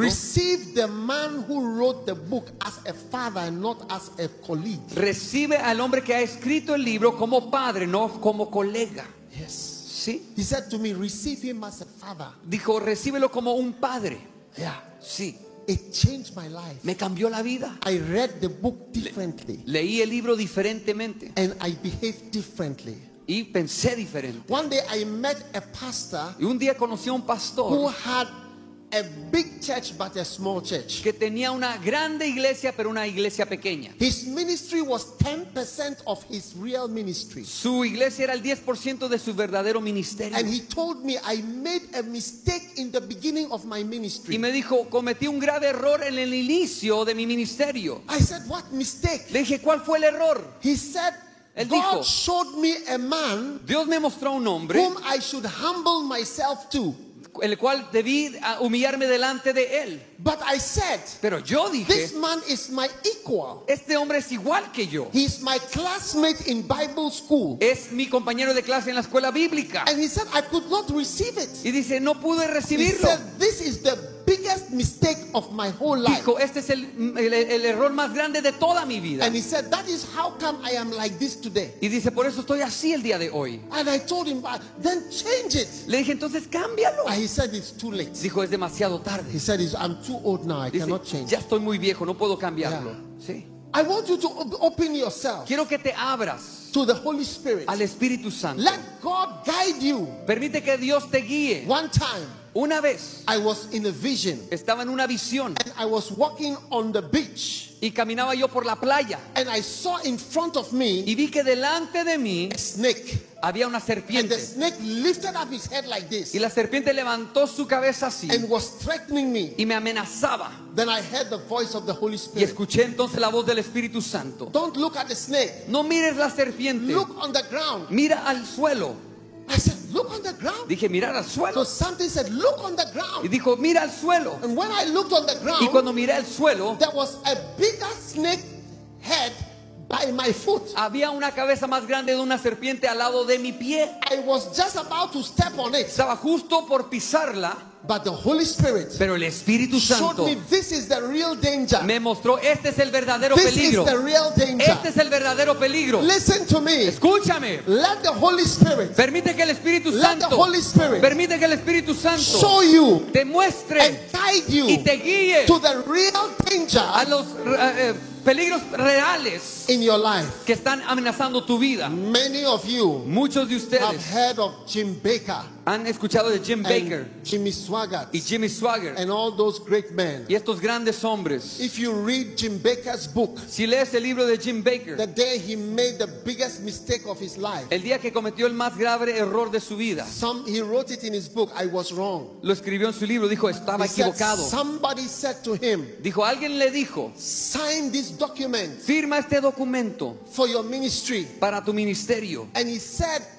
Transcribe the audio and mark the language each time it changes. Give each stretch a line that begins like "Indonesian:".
English: receive the man who wrote the book as a father and not as a colleague.
Spanish: Recibe al hombre que ha escrito el libro como padre, no como colega.
English: Yes.
Spanish: ¿Sí?
English: He said to me, receive him as a father.
Spanish: Dijo, recíbelo como un padre.
English: Yeah.
Spanish: Sí.
English: It changed my life.
Spanish: Me cambió la vida.
English: I read the book differently.
Spanish: Leí el libro diferentemente.
English: And I behaved differently.
Spanish: Y pensé diferente.
English: One day I met a pastor.
Spanish: Y un día conocí a un pastor
English: who had a big church but a small church.
Spanish: Que tenía una grande iglesia pero una iglesia pequeña.
English: His ministry was 10% of his real ministry.
Spanish: Su iglesia era el 10% de su verdadero ministerio.
English: And he told me I made a mistake in the beginning of my ministry.
Spanish: Y me dijo, cometí un grave error en el inicio de mi ministerio.
English: I said, what mistake?
Spanish: Le dije, ¿cuál fue el error?
English: He said,
Spanish: él dijo,
English: God showed me a man,
Spanish: Dios me mostró un hombre,
English: whom I should humble myself to,
Spanish: el cual debí humillarme delante de él.
English: But I said,
Spanish: pero yo dije,
English: this man is my equal.
Spanish: Este hombre es igual que yo.
English: He is my classmate in Bible school.
Spanish: Es mi compañero de clase en la escuela bíblica.
English: And he said, I could not receive it.
Spanish: Y dice, no pude recibirlo.
English: He said, this is the biggest mistake of my whole life.
Spanish: Dijo, este es el error más grande de toda mi vida.
English: And he said, that is how come I am like this today.
Spanish: Y dice, por eso estoy así el día de hoy.
English: And I told him, then change it.
Spanish: Le dije, entonces cámbialo.
English: And he said, it's too late.
Spanish: Dijo, es demasiado tarde.
English: He said, I'm too old now. I
Spanish: dice,
English: cannot change.
Spanish: Ya estoy muy viejo, no puedo cambiarlo.
English: Yeah.
Spanish: Sí.
English: I want you to open yourself.
Spanish: Quiero que te abras
English: to the Holy Spirit.
Spanish: Al Espíritu Santo.
English: Let God guide you.
Spanish: Permite que Dios te guíe.
English: One time.
Spanish: Una vez,
English: I was in a vision.
Spanish: Estaba en una visión.
English: And I was walking on the beach.
Spanish: Y caminaba yo por la playa.
English: And I saw in front of me.
Spanish: Y vi que delante de mí,
English: a snake.
Spanish: Había una serpiente.
English: And the snake lifted up his head like this.
Spanish: Y la serpiente levantó su cabeza así.
English: And was threatening me.
Spanish: Y me amenazaba.
English: Then I heard the voice of the Holy Spirit.
Spanish: Y escuché entonces la voz del Espíritu Santo.
English: Don't look at the snake.
Spanish: No mires la serpiente.
English: Look on the ground.
Spanish: Mira al suelo.
English: I said, look on the ground.
Spanish: Dije, mirar al suelo.
English: So something said, look on the ground.
Spanish: Y dijo, mira al suelo.
English: And when I looked on the ground,
Spanish: y cuando miré al suelo,
English: there was a bigger snake head by my foot.
Spanish: Había una cabeza más grande de una serpiente al lado de mi pie.
English: I was just about to step on it.
Spanish: Estaba justo por pisarla.
English: But the Holy Spirit,
Spanish: pero el Espíritu Santo,
English: showed me this is the real danger.
Spanish: Me mostró este es el verdadero
English: this
Spanish: peligro.
English: Is the real danger.
Spanish: Este es el verdadero peligro.
English: Listen to me.
Spanish: Escúchame.
English: Let the Holy Spirit.
Spanish: Permite que el Espíritu
English: Let
Spanish: Santo.
English: Let the Holy Spirit.
Spanish: Permite que el Espíritu Santo.
English: Show you.
Spanish: Te muestre.
English: And guide you.
Spanish: Y te guíe.
English: To the real danger.
Spanish: A los peligros reales
English: in your life.
Spanish: Que están amenazando tu vida.
English: Many of you.
Spanish: Muchos de ustedes.
English: Have heard of Jim Baker.
Spanish: Han escuchado de Jim Baker,
English: Jimmy Swaggart,
Spanish: y Jimmy Swaggart,
English: and all those great men.
Spanish: Y estos grandes hombres.
English: If you read Jim Baker's book,
Spanish: si lees el libro de Jim Baker,
English: the day he made the biggest mistake of his life,
Spanish: el día que cometió el más grave error de su vida,
English: he wrote it in his book. I was wrong.
Spanish: Lo escribió en su libro. Dijo estaba equivocado.
English: Somebody said to him.
Spanish: Dijo alguien le dijo.
English: Sign this document.
Spanish: Firma este documento.
English: For your ministry.
Spanish: Para tu ministerio.
English: And he said.